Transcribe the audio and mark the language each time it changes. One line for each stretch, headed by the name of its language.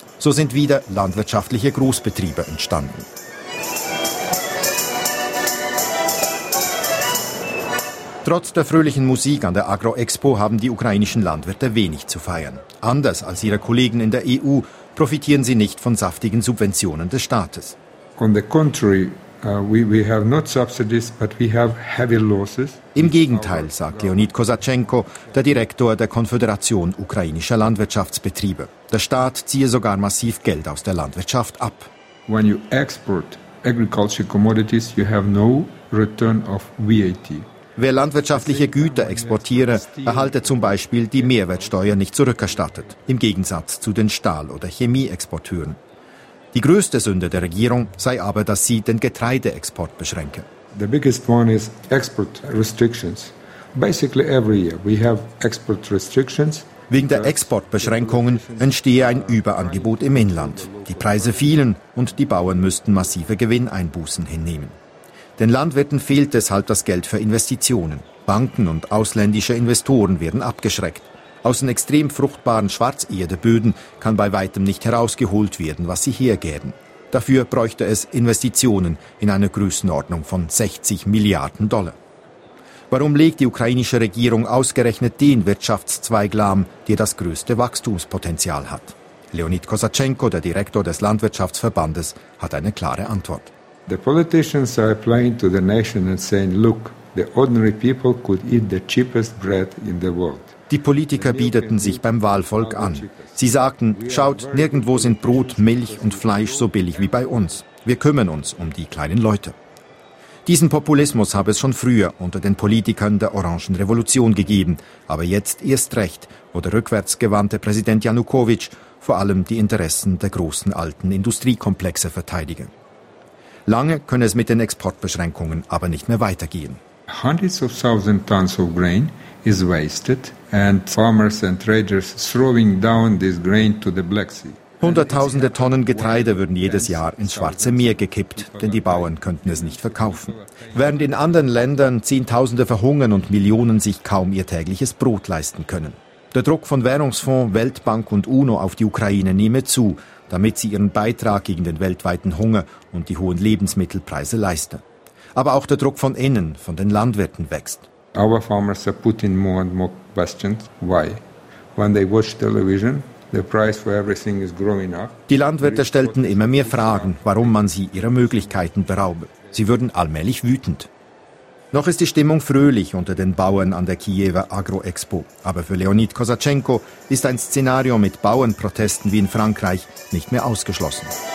German: So sind wieder landwirtschaftliche Großbetriebe entstanden. Trotz der fröhlichen Musik an der Agro-Expo haben die ukrainischen Landwirte wenig zu feiern. Anders als ihre Kollegen in der EU profitieren sie nicht von saftigen Subventionen des Staates.
English: On the contrary, we have not subsidies, but we have heavy losses.
German: Im Gegenteil, sagt Leonid Kosachenko, der Direktor der Konföderation ukrainischer Landwirtschaftsbetriebe. Der Staat ziehe sogar massiv Geld aus der Landwirtschaft ab.
English: When you export agricultural commodities, you have no return of VAT.
German: Wer landwirtschaftliche Güter exportiere, erhalte zum Beispiel die Mehrwertsteuer nicht zurückerstattet, im Gegensatz zu den Stahl- oder Chemieexporteuren. Die größte Sünde der Regierung sei aber, dass sie den Getreideexport beschränke.
English: The biggest one is export restrictions. Basically every year we have export restrictions.
German: Wegen der Exportbeschränkungen entstehe ein Überangebot im Inland. Die Preise fielen und die Bauern müssten massive Gewinneinbußen hinnehmen. Den Landwirten fehlt deshalb das Geld für Investitionen. Banken und ausländische Investoren werden abgeschreckt. Aus den extrem fruchtbaren Schwarzerdeböden kann bei weitem nicht herausgeholt werden, was sie hergeben. Dafür bräuchte es Investitionen in einer Größenordnung von 60 Milliarden Dollar. Warum legt die ukrainische Regierung ausgerechnet den Wirtschaftszweig lahm, der das größte Wachstumspotenzial hat? Leonid Kosachenko, der Direktor des Landwirtschaftsverbandes, hat eine klare Antwort.
English: The politicians are playing to the nation and saying, look, the ordinary people could eat the cheapest bread in the world.
German: Die Politiker biederten sich beim Wahlvolk an. Sie sagten, schaut, nirgendwo sind Brot, Milch und Fleisch so billig wie bei uns. Wir kümmern uns um die kleinen Leute. Diesen Populismus habe es schon früher unter den Politikern der Orangen Revolution gegeben. Aber jetzt erst recht, wo der rückwärtsgewandte Präsident Janukowitsch vor allem die Interessen der großen alten Industriekomplexe verteidige. Lange könne es mit den Exportbeschränkungen aber nicht mehr weitergehen.
English: Hundreds of thousand tons of grain is wasted and farmers and traders throwing down this grain to the Black Sea.
German: Hunderttausende Tonnen Getreide würden jedes Jahr ins Schwarze Meer gekippt, denn die Bauern könnten es nicht verkaufen. Während in anderen Ländern Zehntausende verhungern und Millionen sich kaum ihr tägliches Brot leisten können. Der Druck von Währungsfonds, Weltbank und UNO auf die Ukraine nehme zu, damit sie ihren Beitrag gegen den weltweiten Hunger und die hohen Lebensmittelpreise leiste. Aber auch der Druck von innen, von den Landwirten, wächst.
English: Our farmers are putting more and more questions. Why? When they watch television, the price for everything is growing up.
German: Die Landwirte stellten immer mehr Fragen, warum man sie ihrer Möglichkeiten beraube. Sie würden allmählich wütend. Noch ist die Stimmung fröhlich unter den Bauern an der Kiewer Agro-Expo. Aber für Leonid Kosachenko ist ein Szenario mit Bauernprotesten wie in Frankreich nicht mehr ausgeschlossen.